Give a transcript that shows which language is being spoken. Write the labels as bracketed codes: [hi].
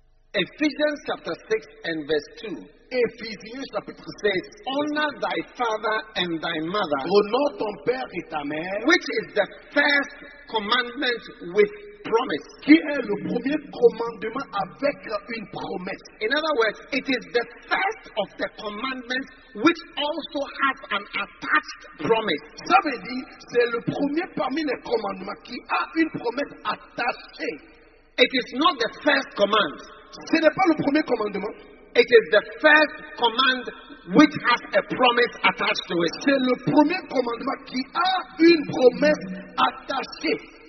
[en] Ephesians chapter 6 and verse 2. Ephesians chapter 6 says, honor thy father and thy mother. [fr] Honore ton père et ta mère. [en] Which is the first commandment with promise. [fr] Qui est le premier commandement avec une promesse. [en] In other words, it is the first of the commandments which also has an attached promise. [fr] Ça veut dire, c'est le premier parmi les commandements qui a une promesse attachée. [en] It is not the first command. [fr] Ce n'est pas le premier commandement. [en] It is the first command which has a promise attached to it. [fr] C'est le premier commandement qui a une promesse attachée.